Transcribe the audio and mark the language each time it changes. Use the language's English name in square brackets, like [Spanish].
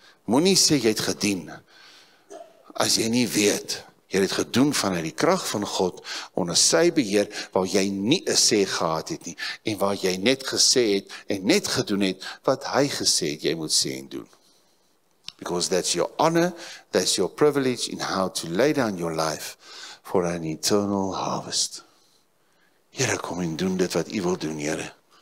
[Afrikaans] Moet nie sê, jy het gedien, as jy nie weet, jy het gedoen vanuit die kracht van God, onder sy beheer, waar jy nie een sê gehad het nie, en waar jy net gesê het, en net gedoen het, wat hy gesê het, jy moet sê en doen. [English] Because that's your honor, that's your privilege, in how to lay down your life, for an eternal harvest. [Afrikaans] Here, kom en doen dit wat u wil doen, Here.